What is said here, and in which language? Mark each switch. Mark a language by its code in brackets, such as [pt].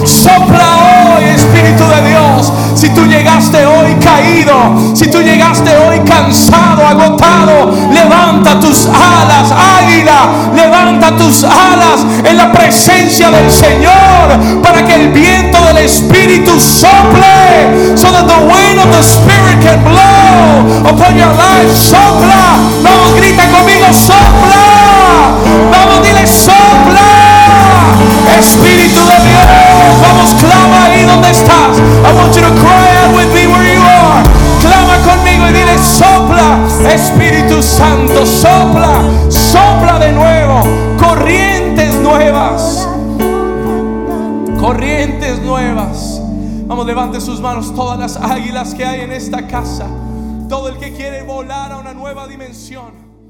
[es] Sopla hoy, Espíritu de Dios. Si tú llegaste hoy caído, si tú llegaste hoy cansado, agotado, levanta tus alas, águila, levanta tus alas en la presencia del Señor, para que el viento del Espíritu sople, [en] so that the wind of the Spirit can blow upon your life. [es] Sopla, vamos, grita conmigo, sopla, vamos, dile, sopla, Espíritu de Dios, vamos, clama ahí donde estás. [en] I want you to cry out with me where you are. [es] Clama conmigo y dile, sopla, Espíritu Santo, sopla, sopla de nuevo, corrientes nuevas, corrientes nuevas. Vamos, levante sus manos, todas las águilas que hay en esta casa, todo el que quiere volar a una nueva dimensión.